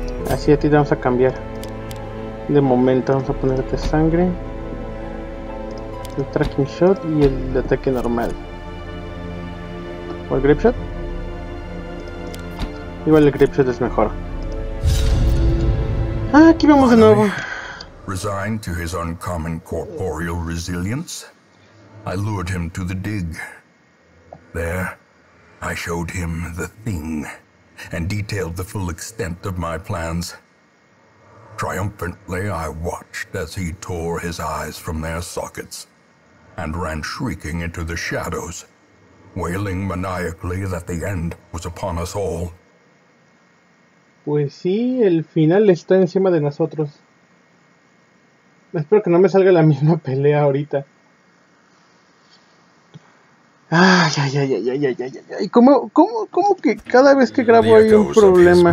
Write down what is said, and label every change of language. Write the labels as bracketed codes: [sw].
[es] Así a ti te vamos a cambiar. De momento vamos a ponerte sangre, el tracking shot y el de ataque normal. ¿O el grip shot? Igual el grip shot es mejor. Ah, aquí vamos de nuevo. [en] Resigned to his uncommon corporeal resilience, I lured him to the dig. There, I showed him the thing and detailed the full extent of my plans. Triumphantly, I watched as he tore his eyes from their sockets and ran shrieking into the shadows, wailing maniacally that the end was upon us all. [es] Pues sí, el final está encima de nosotros. Espero que no me salga la misma pelea ahorita. Ay, ay, ay, ay, ay, ay, ay, ay, ay. ¿Cómo que cada vez que grabo hay un problema?